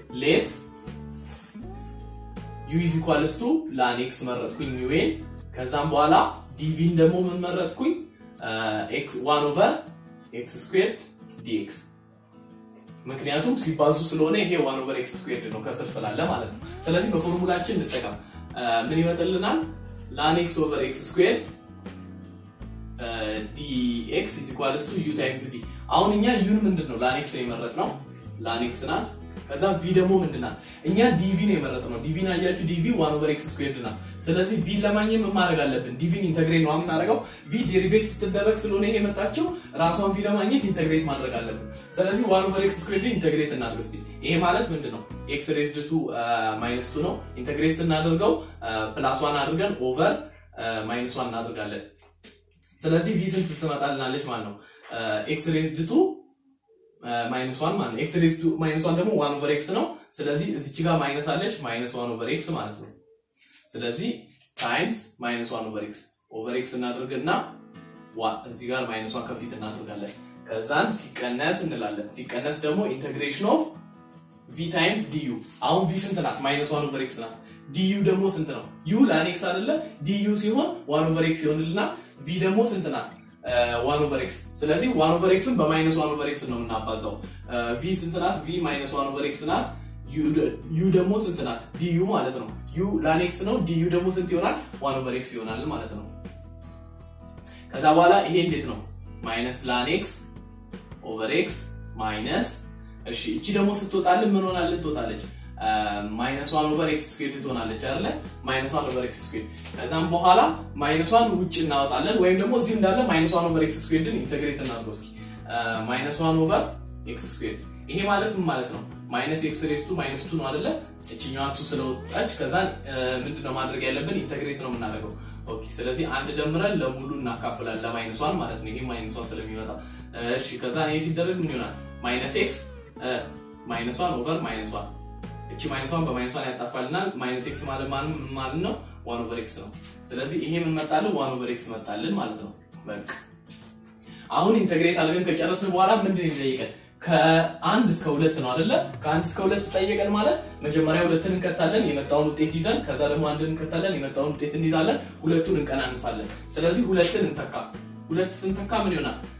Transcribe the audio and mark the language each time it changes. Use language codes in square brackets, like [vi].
[am] ሌት u = ላንክስ መረጥኩኝ u ን ከዛም በኋላ dv ን ደግሞ ምን መረጥኩኝ x 1 over x squared dx ምክንያቱም ሲባዙ ስለሆነ ይሄ 1 over x squared ነው ከስር ስላለ ማለት ነው። ስለዚህ በፎርሙላችን እንጠቀም ምን ይመጣልናል? [en] ln x over x squared dx is equals to u times v. [am] አሁን እኛ u ምንድነው? ln x ነው የመረጥነው ln x ናት። ከዛ v ደግሞ ምንድነው? እኛ dv ነው የመረጥነው dv ና ያያችሁ dv 1 over x squared ናት። ስለዚህ v ለማግኘት ምን ማድረግ አለብን? dv ኢንተግሬት ነው አምናረጋው v ዴሪቬቲቭ ስትደረግ ስለሆነ ይሄ መጣችው ራሷን v ለማግኘት ኢንተግሬት ማድረግ አለብን። ስለዚህ 1 over x squared ኢንተግሬት እናድርግስ። ይሄ ማለት ምንድነው? x raised to minus 2 ነው። ኢንተግሬት ስናደርገው plus 1 አድርገን over minus 1 እናደርጋለን። ስለዚህ v ስንት ትመጣልናለች ማለት ነው? x raised to minus 1 ማለት x raised to minus 1 ደግሞ 1 over x ነው። ስለዚህ እዚች ጋር ማይነስ አለች minus 1 over x ማለት ነው። ስለዚህ times minus 1 over x over x እናደርግና እዚህ ጋር minus 1 ከፊት እናደርጋለን። ከዛን ሲቀነስ እንላለን። ሲቀነስ ደግሞ integration of v times du አሁን v ስንት ናት? minus 1 over x ናት። du ደግሞ ስንት ነው? u ላን x አይደለ? du ሲሆን 1 over x ይሆንልና v ደግሞ ስንት ናት? 1 over x። ስለዚህ 1 over x-ን በminus 1 over x ነው እናባዛው። v ስንት ናት? [en] v minus 1 over x ናት። u [am] ደግሞ ስንት ናት? du ማለት ነው። u ላን x ነው du ደግሞ ስንት ይሆናል? 1 over x ይሆናል ማለት ነው። ከዛ በኋላ ይሄ እንዴት ነው? minus ላን x over x minus እሺ እቺ ደግሞ ስትወጣልን ምን ሆናለች? ትወጣለች minus 1 over x squared ትሆናለች አይደለ? minus 1 over x squared ከዛም በኋላ minus 1 ውጭ እናወጣለን ወይም ደግሞ እዚህ እንዳለ minus 1 over x squared ን ኢንተግሬት እናድርጎስኪ minus 1 over x squared ይሄ ማለት ምን ማለት ነው? [en] minus x raised to minus 2 [am] ነው አይደለ? እቺኛው 2 ስለወጣች ከዛ ምንድነው ማድረግ ያለብን? ኢንተግሬት ነው የምናደርገው። ኦኬ ስለዚህ አንድ ደምረን ለሙሉ እናካፍላለን ለማይነስ 1 ማለት ነው። ይሄ ማይነስ 1 ስለሚወጣ እሺ ከዛ ይሄ ሲደረግ ምን ይሆናል? [en] minus x minus 1 over minus 1 እቺ minus 1 በminus 1 ያጣፋልናል። minus x [am] ማለት ማን ማለት ነው? 1 over x ነው። ስለዚህ ይሄ ምን መጣልን? 1 over x መጣልን ማለት ነው። በቃ አሁን ኢንተግሬት አድርገን ከጨረስን በኋላ ምንድነው የሚጠይቀን? ከአንድ እስከ 2 ነው አይደለ? ከአንድ እስከ 2 ጠየቀን ማለት መጀመሪያ 2ን እንከታለን የመጣውን ውጤት ይዘን ከዛ ደግሞ 1ን እንከታለን የመጣውን ውጤት እንይዛለን ሁለቱን እንቀናንሳለን። ስለዚህ 2ን እንተካ 2 ስንተካ ምን ይሆናል?